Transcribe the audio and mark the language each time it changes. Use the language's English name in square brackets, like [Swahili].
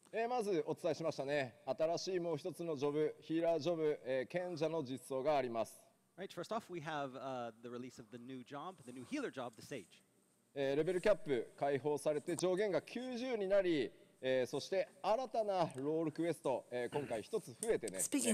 [Japanese] まずお伝えしましたね。新しいもう一つのジョブ、ヒーラージョブ、賢者の実装があります。 [English] Alright, first off, we have the release of the new job, the new healer job, the Sage. [Japanese] レベルキャップ解放されて上限が90になり、そして新たなロールクエスト、今回一つ増えてね。 [English] Speaking